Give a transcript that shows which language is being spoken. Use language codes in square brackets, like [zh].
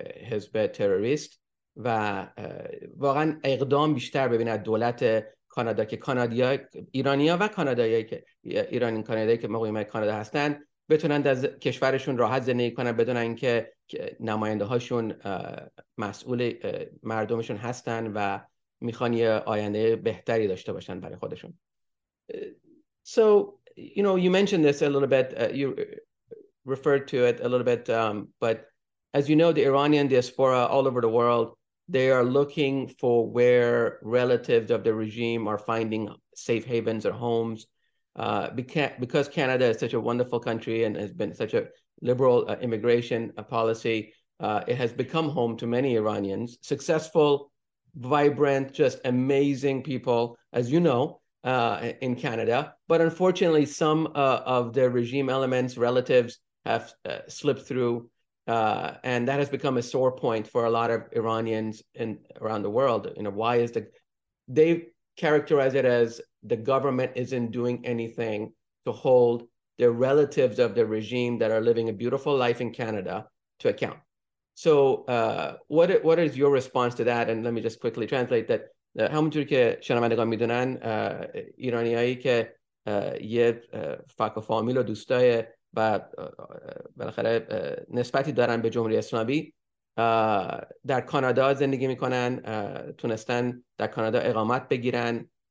[fa] حزب تروریست و واقعا اقدام بیشتر ببیند دولت کانادا که کانادیا ایرانیا و کانادایی که ایرانی کانادایی که مقیم کانادا هستن بتونن از کشورشون راحت زندگی کنن، بدونن که نماینده هاشون مسئول مردمشون هستن و میخوان یه آینده بهتری داشته باشن برای خودشون. [en] So you know, you mentioned this a little bit, you referred to it a little bit, but as you know, the Iranian diaspora all over the world, they are looking for where relatives of the regime are finding safe havens or homes. Because Canada is such a wonderful country and has been such a liberal immigration policy, it has become home to many Iranians, successful, vibrant, just amazing people, as you know, in Canada. But unfortunately, some of the regime elements, relatives, have slipped through, and that has become a sore point for a lot of Iranians in around the world. You know, why is they characterize it as the government isn't doing anything to hold their relatives of the regime that are living a beautiful life in Canada to account. So what is your response to that? And let me just quickly translate that. [fa] همونطوری که شنوندگان میدونن، ایرانیایی که یه فک و فامیل و دوستای و بالاخره نسبتی دارن به جمهوری اسلامی در کانادا زندگی میکنن، تونستن در کانادا اقامت بگیرن